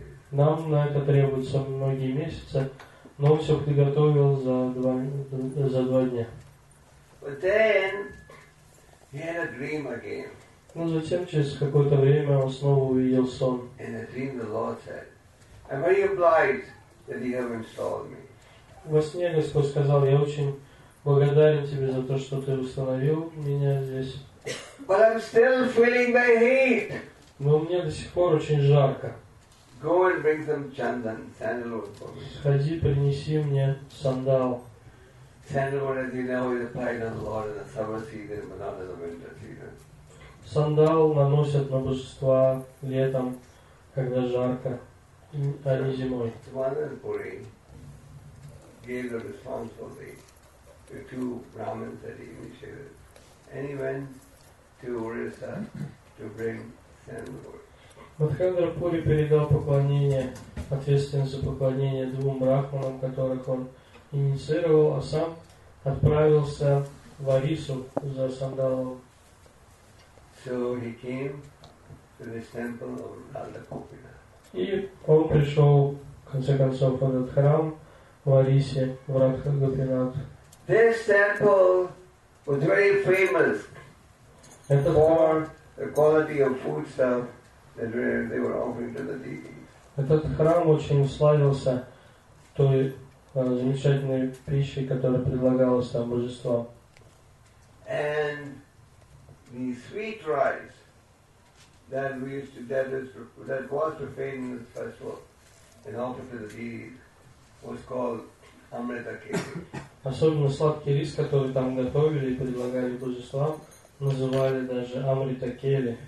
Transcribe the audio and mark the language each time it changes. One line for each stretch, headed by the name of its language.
Russian: Нам на это требуется многие месяцы, но он все подготовил за два дня.
English: But then he had a dream again.
Russian: Но затем через какое-то время он снова увидел сон.
English: In the dream the Lord said, "I'm very obliged that you have installed me."
Russian: Во сне Господь сказал, я очень благодарен тебе за то, что ты установил меня здесь.
English: But I'm still feeling the heat.
Russian: Но мне до сих пор очень жарко.
English: Go and bring some chandan, sandalwood for me.
Russian: Сходи, принеси мне сандал.
English: Sandalwood, as you know, is applied on the Lord in the summer season, but not in the winter season.
Russian: Сандал наносят на божества летом, когда жарко, а не зимой.
English: Madan Puri gave the responsibility. The 2 brahmins that he initiated, and he went to Orissa to bring sandalwood.
Russian: Мадхавендра Пури передал поклонение, ответственность за поклонение 2 брахманам, которых он инициировал, а сам отправился в Орису за сандалом.
English: So he came to this temple of Radha Gopina.
Russian: И он пришел, в конце концов, в этот храм в Орисе, в Радха Гопинат.
English: This temple was very famous for the quality of foodstuff that they were offering to the deities.
Russian: Этот храм очень славился той замечательной пищей, которая предлагалась там божествам.
English: And the sweet rice that we used to that was prepared in the festival in altar to the deities was called Amrita Kheri.
Russian: Особенно сладкий рис, который там готовили и предлагали божествам, называли даже Amrita Kheri.